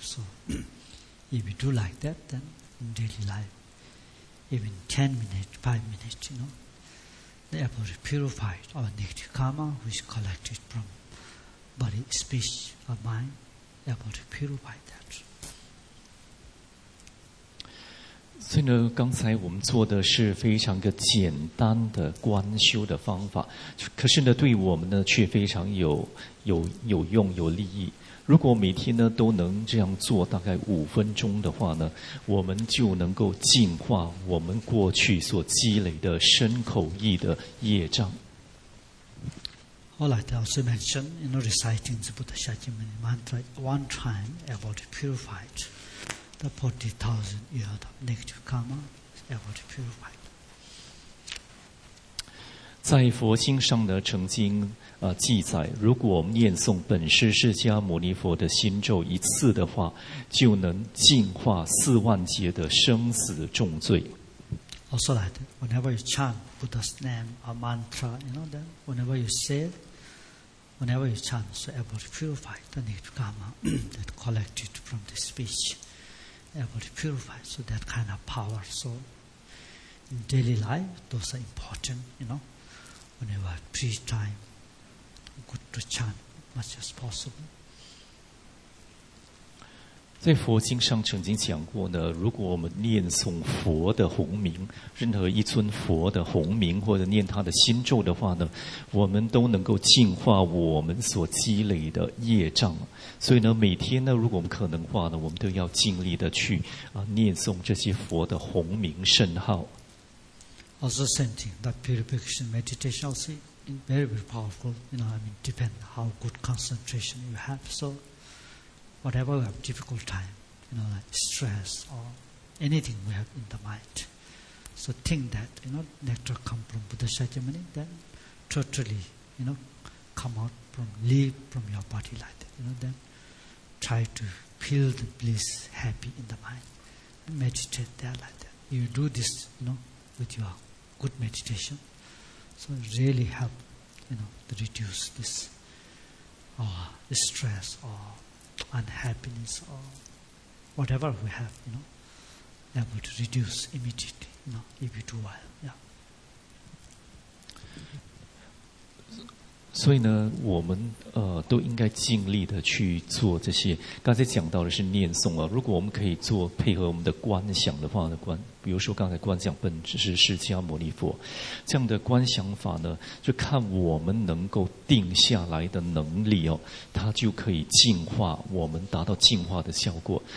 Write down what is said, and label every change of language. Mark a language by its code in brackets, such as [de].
[en] So if you do like that, then in daily life, even 10 minutes, 5 minutes, you know, the effort is purified, our negative karma, which is collected from body, speech, or mind, the effort is purified. [zh] 所以呢，刚才我们做的是非常一个简单的观修的方法，可是呢，对我们呢却非常有用、有利益。如果每天呢都能这样做，大概五分钟的话呢，我们就能够净化我们过去所积累的身口意的业障。 [en] All right, I also mentioned, you know, reciting the Buddha Shakyamuni mantra one time about purified. The 40,000 years of negative karma is ever purified. [zh] 在佛经上呢，曾经记载，如果我们念诵本师释迦牟尼佛的心咒一次的话，就能净化40,000劫的生死重罪。 [en] Also like that, whenever you chant Buddha's name or mantra, you know that, whenever you say it, whenever you chant, so everybody purify the negative karma that collected from the speech. Everybody purify, so that kind of power. So in daily life, those are important, you know. Whenever free time, good to chant as much as possible. [zh] 在佛经上曾经讲过呢，如果我们念诵佛的洪名，任何一尊佛的洪名或者念他的心咒的话呢，我们都能够净化我们所积累的业障。所以呢，每天呢，如果我们可能的话呢，我们都要尽力的去啊念诵这些佛的洪名圣号。 [en] Also same thing, that purification meditation also very very powerful. You know, I mean, depend how good concentration you have. So. Whatever we have difficult time, you know, like stress or anything we have in the mind. So think that, you know, nectar come from Buddha Shakyamuni, then totally, you know, come out from, leave from your body like that. You know, then try to feel the bliss, happy in the mind. Meditate there like that. You do this, you know, with your good meditation. So really help, you know, to reduce this stress or,unhappiness or whatever we have, you know, that would reduce immediately, you know, if you do well, yeah. [zh] 所以呢，我们都应该尽力的去做这些。刚才讲到的是念诵啊，如果我们可以做配合我们的观想的话呢，比如说刚才观想本质是释迦牟尼佛，这样的观想法呢，就看我们能够定下来的能力哦，它就可以净化我们，达到净化的效果。